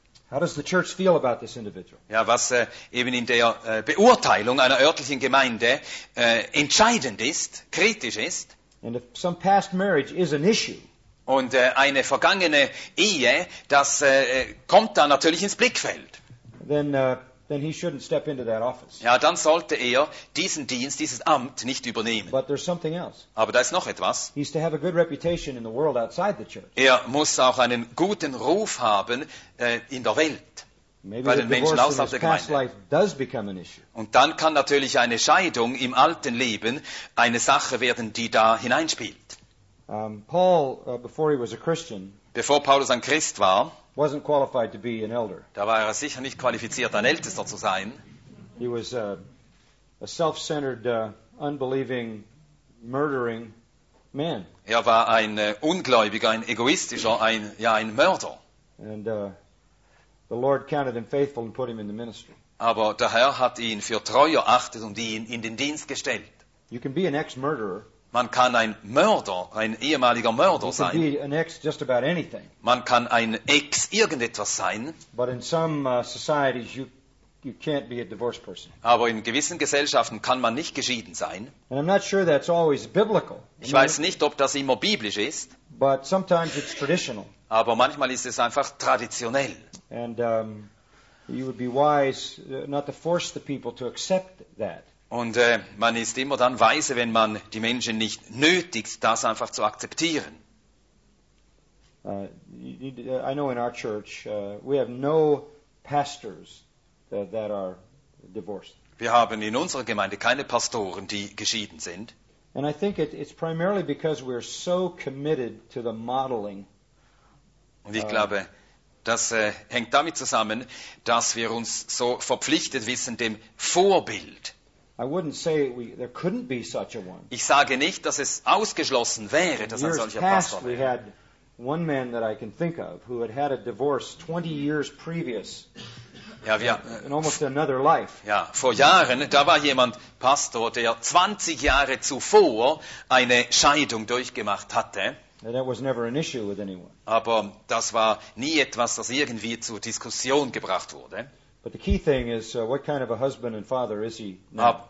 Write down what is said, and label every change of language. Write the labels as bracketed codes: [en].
[en] how does the church feel about this individual? [de] Ja, was eben in der Beurteilung einer örtlichen Gemeinde entscheidend ist, kritisch ist. [en] And if some past marriage is an issue. [de] Und eine vergangene Ehe, das kommt da natürlich ins Blickfeld. [en] Then he shouldn't step into that office. [de] Ja, dann sollte er diesen Dienst, dieses Amt nicht übernehmen. [en] But there's something else. [de] Aber da ist noch etwas. [en] He's to have a good reputation in the world outside the church. [de] Er muss auch einen guten Ruf haben in der Welt. [en] Maybe [de] bei den Menschen außerhalb der Gemeinde. [en] Past life does become an issue. [de] Und dann kann natürlich eine Scheidung im alten Leben eine Sache werden, die da hineinspielt. [en] Paul, before he was a Christian, [de] Bevor Paulus ein Christ war, [en] wasn't qualified to be an elder. [de] Da war er sicher nicht qualifiziert, ein Ältester zu sein. [en] He was a self-centered, unbelieving, murdering man. [de] Er war ein Ungläubiger, ein Egoistischer, ein Mörder. [en] And the Lord counted him faithful and put him in the ministry. [de] Aber der Herr hat ihn für treu erachtet und ihn in den Dienst gestellt. [en] You can be an ex-murderer. [de] Man kann ein Mörder, ein ehemaliger Mörder sein. [en] You can be an ex just about anything. [de] Man kann ein Ex irgendetwas sein. [en] But in some societies you can't be a divorced person. [de] Aber in gewissen Gesellschaften kann man nicht geschieden sein. [en] And I'm not sure that's always biblical. [de] Ich weiß nicht, ob das immer biblisch ist. [en] But sometimes it's traditional. [de] Aber manchmal ist es einfach traditionell. [en] And you would be wise not to force the people to accept that. [de] Und man ist immer dann weise, wenn man die Menschen nicht nötigt, das einfach zu akzeptieren. [en] I know in our church we have no pastors that are divorced. [de] Wir haben in unserer Gemeinde keine Pastoren, die geschieden sind. [en] And I think it's primarily because we're so committed to the modeling. [de] Und ich glaube, das hängt damit zusammen, dass wir uns so verpflichtet wissen dem Vorbild. [en] I wouldn't say there couldn't be such a one. [de] Ich sage nicht, dass es ausgeschlossen wäre, dass ein solcher Pastor wäre. [en] We had one man that I can think of who had a divorce 20 years previous. [de] Ja, wir, [en] in almost another life. [de] Ja, vor Jahren, da war jemand Pastor, der 20 Jahre zuvor eine Scheidung durchgemacht hatte. [en] That was never an issue with anyone. [de] Aber das war nie etwas, das irgendwie zur Diskussion gebracht wurde. [en] But the key thing is, what kind of a husband and father is he now?